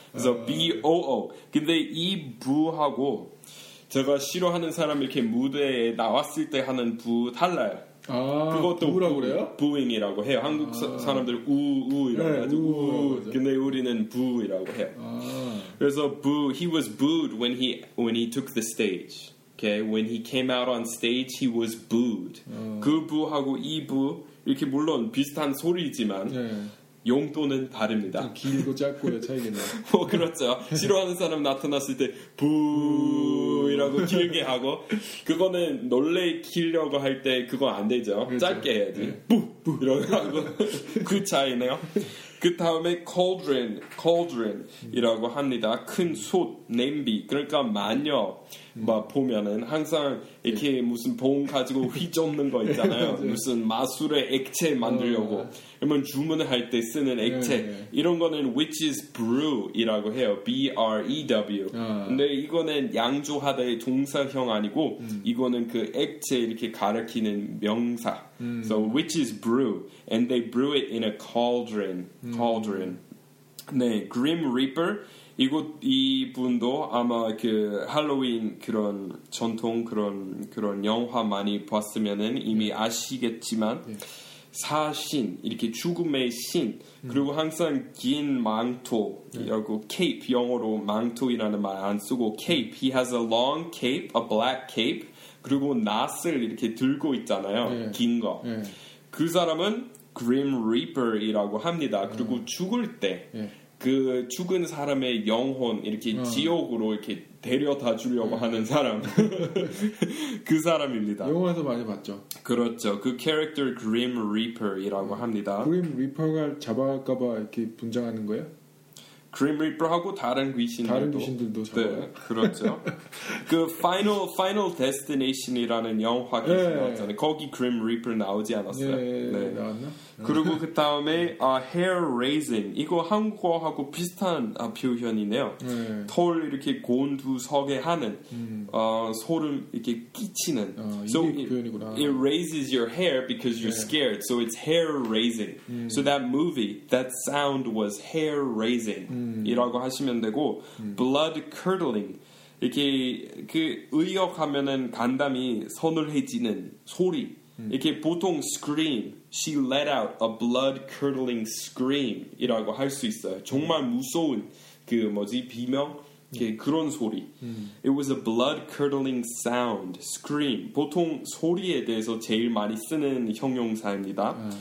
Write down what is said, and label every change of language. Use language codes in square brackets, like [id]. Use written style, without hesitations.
[en] So, boo. [ko] 근데 이 boo하고 제가 싫어하는 사람 이렇게 무대에 나왔을 때 하는 부 달라요. 아, 그것도 부라 그래요? 부잉이라고 해요. 한국 아. 사람들 우우 이러고 네, 우, 우. 근데 우리는 부이라고 해요. 아. 그래서 부 [en] he was booed when he took the stage. Okay, when he came out on stage, he was booed. [ko] 아. 그 부하고 이 부 이렇게 물론 비슷한 소리지만 네. 용도는 다릅니다. 길고 짧고의 차이겠네요. 뭐 그렇죠. 싫어하는 사람 나타났을 때 부 이라고 길게 하고 그거는 놀래키려고 할 때 그거 안 되죠. 그렇죠. 짧게 해야지. 네. 부! 부! 이러고 하고 그 차이네요. 그 다음에 cauldron이라고 합니다. 큰 솥, 냄비. 그러니까 마녀 막 보면은 항상 이렇게 네. 무슨 봉 가지고 휘젓는 거 있잖아요. 무슨 마술의 액체 만들려고. 그러면 주문을 할 때 쓰는 액체. 네. 이런 거는 witch's brew이라고 해요. B-R-E-W. 근데 이거는 양조하다의 동사형 아니고 이거는 그 액체 이렇게 가리키는 명사. [en] So witches brew and they brew it in a cauldron. Cauldron. 네, Grim Reaper. [ko] 이 분도 아마 그 할로윈 그런 전통 그런 영화 많이 봤으면은 이미 yeah. 아시겠지만 yeah. 사신 이렇게 죽음의 신 그리고 항상 긴 망토 이라고 yeah. cape 영어로 망토이라는 말 안 쓰고 cape. [en] He has a long cape, a black cape. [ko] 그리고 낫을 이렇게 들고 있잖아요. 네. 긴 거. 네. 그 사람은 Grim Reaper이라고 합니다. 그리고 죽을 때 그 네. 죽은 사람의 영혼 이렇게 지옥으로 이렇게 데려다 주려고 네. 하는 사람. 그 사람입니다. 영화에서 많이 봤죠. 그렇죠. 그 캐릭터 Grim Reaper이라고 네. 합니다. Grim Reaper가 잡아갈까 봐 이렇게 분장하는 거예요? Grim Reaper하고 다른 귀신들도 잡아요. 네, 그렇죠. 그 Final Destination이라는 영화 네. 나왔잖아요. 거기 Grim Reaper 나오지 않았어요? 네, 네. 나왔나? 그리고 그 다음에 Hair Raising. 이거 한국어하고 비슷한 표현이네요. 네. 털 이렇게 곤두서게 하는 소름 이렇게 끼치는 So 이게 표현이구나. [en] It raises your hair because you're 네. scared. So it's Hair Raising. So that movie, that sound was Hair Raising. [ko] 이라고 하시면 되고 blood curdling 이렇게 그 의역하면은 간담이 서늘해지는 소리 이렇게 보통 scream [en] she let out a blood curdling scream [ko] 이라고 할 수 있어요. 정말 무서운 그 뭐지 비명 이렇게 그런 소리 [en] it was a blood curdling sound scream [ko] 보통 소리에 대해서 제일 많이 쓰는 형용사입니다.